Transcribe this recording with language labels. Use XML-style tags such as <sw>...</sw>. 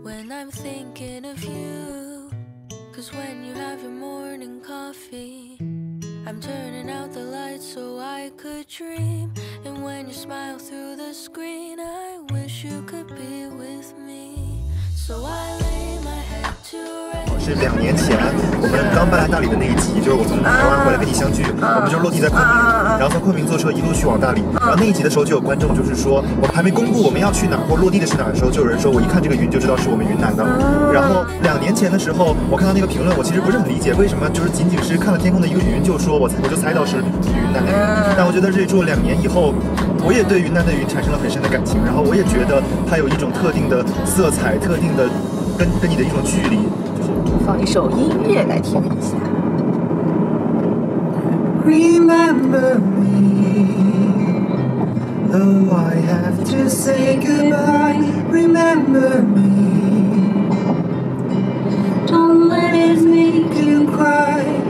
<en>When I'm thinking of you, 'cause when you have your morning coffee, I'm turning out the lights so I could dream. And when you smile through the screen, I wish you could be with me. So I lay my head to rest.</en> <zh>我是两年前我们刚搬来大理的那一集，就是我从台湾回来跟你相聚，我们就落地在昆明，然后从昆明坐车一路去往大理。然后那一集的时候，就有观众就是说，我还没公布我们要去哪儿或落地的是哪儿的时候，就有人说我一看这个云就知道是我们云南的。然后两年前的时候，我看到那个评论，我其实不是很理解为什么就是仅仅是看了天空的一个云就说我就猜到是云南的云。但我觉得这住了两年以后，我也对云南的云产生了很深的感情，然后我也觉得它有一种特定的色彩，特定的跟你的一种距离。放一首音乐来听一下。</zh> <en>Remember me, though I have to say goodbye. Remember me, don't let it make you cry.</en>